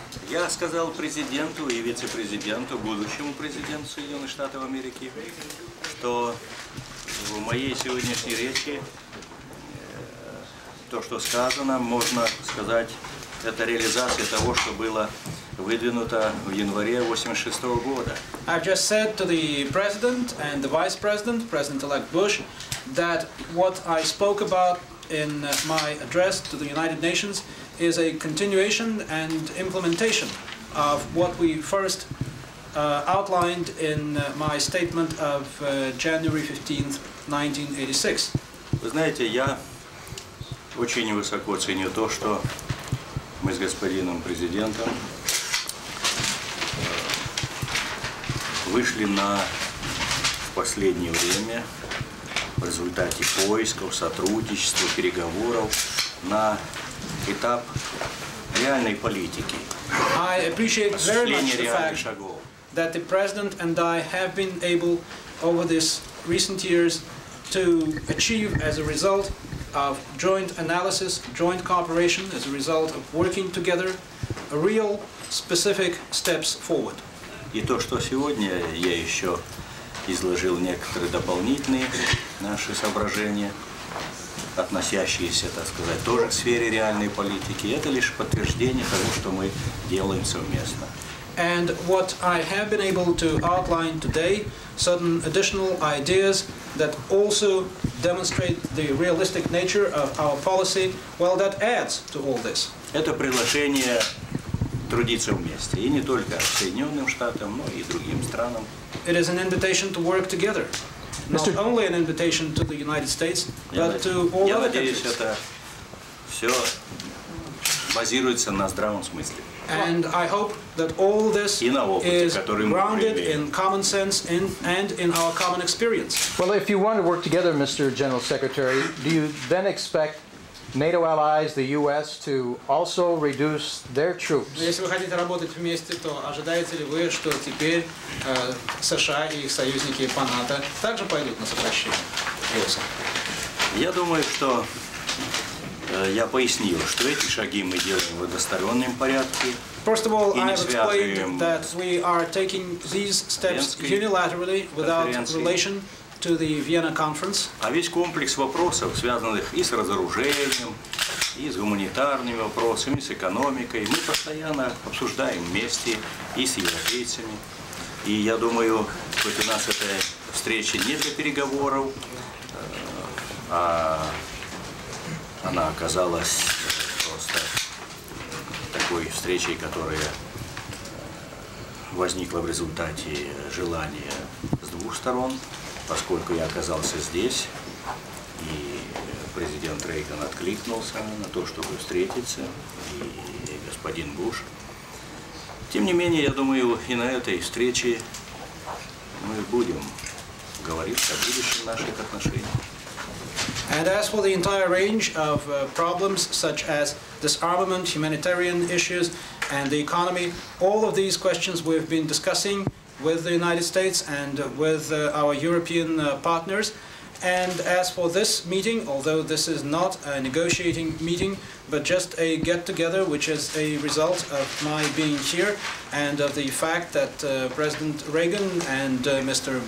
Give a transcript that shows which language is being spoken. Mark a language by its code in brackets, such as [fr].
[ru] Я сказал президенту и вице-президенту, будущему президенту Соединенных Штатов Америки, что в моей сегодняшней речи то, что сказано, можно сказать, это реализация того, что было выдвинуто в январе 86 года. [en] I've just said to the president and the vice president, president-elect Bush, that what I spoke about in my address to the United Nations is a continuation and implementation of what we first outlined in my statement of January 15th, 1986. [ru] Вы знаете, я очень высоко ценю то, что мы с господином президентом вышли на в последнее время в результате поисков, сотрудничества, переговоров на этап реальной политики. [en] I appreciate very much the fact that the president and I have been able over these recent years to achieve as a result of joint analysis, joint cooperation, as a result of working together, a real specific steps forward. [ru] И то, что сегодня я еще изложил некоторые дополнительные наши соображения, относящиеся, так сказать, тоже к сфере реальной политики, это лишь подтверждение того, что мы делаем совместно. [en] And what I have been able to outline today, certain additional ideas that also demonstrate the realistic nature of our policy, well, that adds to all this. [ru] Это предложение трудиться вместе, и не только Соединенным Штатам, но и другим странам. [en] It is an invitation to work together. Not only an invitation to the United States, but to all other countries. [ru] Я надеюсь, это все базируется на здравом смысле. [en] And I hope that all this is grounded in common sense and in our common experience. Well, if you want to work together, Mr. General Secretary, do you then expect NATO allies, the U.S., to also reduce their troops? [ru] Если вы хотите работать вместе, то ожидаете ли вы, что теперь США и их союзники по НАТО также пойдут на сокращение? Я думаю, что я пояснил, что эти шаги мы делаем в одностороннем порядке. [en] First of all, I have explained that we are taking these steps unilaterally without relation to the Vienna conference. [ru] А весь комплекс вопросов, связанных и с разоружением, и с гуманитарными вопросами, с экономикой, мы постоянно обсуждаем вместе и с европейцами. И я думаю, хоть у нас эта встреча не для переговоров, а она оказалась просто такой встречей, которая возникла в результате желания с двух сторон, поскольку я оказался здесь, и президент Рейган откликнулся на то, чтобы встретиться, и господин Буш. Тем не менее, я думаю, и на этой встрече мы будем говорить о будущем наших отношений. [en] And as for the entire range of problems such as disarmament, humanitarian issues, and the economy, all of these questions we've been discussing with the United States and with our European partners. And as for this meeting, although this is not a negotiating meeting, but just a get-together, which is a result of my being here and of the fact that President Reagan and Mr.